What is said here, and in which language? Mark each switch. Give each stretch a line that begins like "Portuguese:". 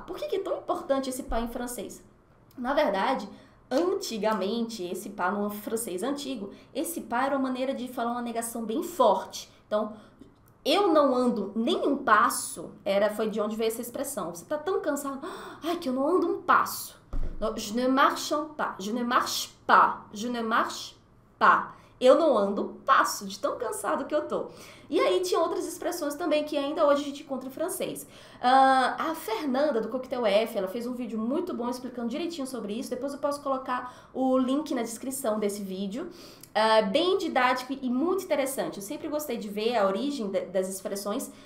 Portuguese: Por que é tão importante esse pas em francês? Na verdade, antigamente, esse pá no francês antigo, esse pá era uma maneira de falar uma negação bem forte. Então, eu não ando nem um passo, foi de onde veio essa expressão. Você tá tão cansado, ai, que eu não ando um passo.
French: Je ne marche pas, je ne marche pas, je ne marche pas.
Portuguese: Eu não ando um passo de tão cansado que eu tô. E aí tinha outras expressões também que ainda hoje a gente encontra em francês. A Fernanda, do Coquetel F, ela fez um vídeo muito bom explicando direitinho sobre isso. Depois eu posso colocar o link na descrição desse vídeo. Bem didático e muito interessante. Eu sempre gostei de ver a origem das expressões.